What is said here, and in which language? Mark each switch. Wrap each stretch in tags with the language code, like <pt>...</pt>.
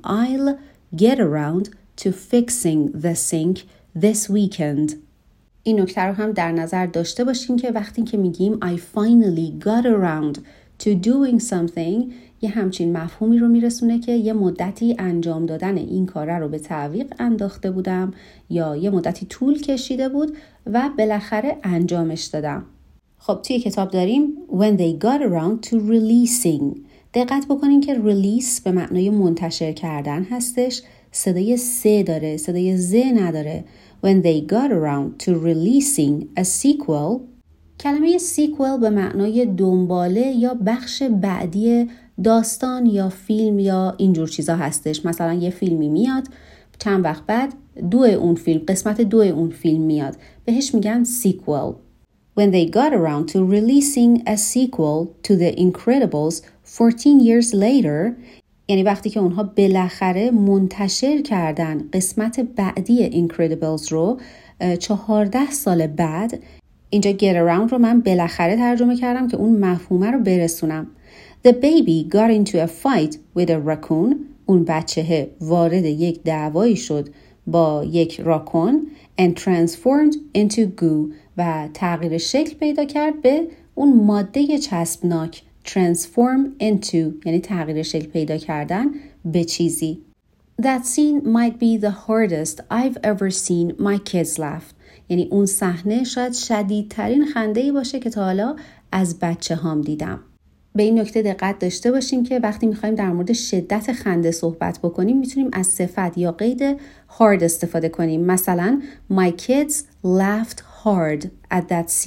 <en>I'll get around to fixing the sink this weekend.</en> <fa>این نکته رو هم در نظر داشته باشین که وقتی که میگیم</fa> <en>I finally got around to doing something،</en> <fa>یه همچین مفهومی رو میرسونه که یه مدتی انجام دادن این کاره رو به تعویق انداخته بودم یا یه مدتی طول کشیده بود و بالاخره انجامش دادم. خب توی کتاب داریم</fa> <en>When they got around to releasing.</en> <fa>دقت بکنین که release به معنای منتشر کردن هستش، صدای س داره، صدای ز نداره.</fa> <en>When they got around to releasing a sequel،</en> <fa>کلمه sequel به معنای دنباله یا بخش بعدی داستان یا فیلم یا اینجور چیزا هستش. مثلا یه فیلمی میاد چند وقت بعد قسمت دو اون فیلم میاد، بهش میگن sequel.</fa> <en>When they got around to releasing a sequel to The Incredibles 14 years later،</en> <fa>یعنی وقتی که اونها بالاخره منتشر کردن قسمت بعدی اینکریدیبلز رو 14 سال بعد، اینجا get around رو من بالاخره ترجمه کردم که اون مفهومه رو برسونم.</fa> <en>The baby got into a fight with a raccoon.</en> <fa>اون بچهه وارد یک دعوایی شد با یک راکون.</fa> <en>And transformed into goo.</en> <fa>و تغییر شکل پیدا کرد به اون ماده چسبناک. Transform into یعنی تغییر شکل پیدا کردن به چیزی.</fa> <en>That scene might be the hardest I've ever seen my kids laugh.</en> <fa>یعنی اون صحنه شاید شدیدترین خنده‌ای باشه که تا حالا از بچه هام دیدم. به این نکته دقت داشته باشین که وقتی میخواییم در مورد شدت خنده صحبت بکنیم میتونیم از صفت یا قید hard استفاده کنیم. مثلا</fa> <en>my kids laughed hard at that scene.</en>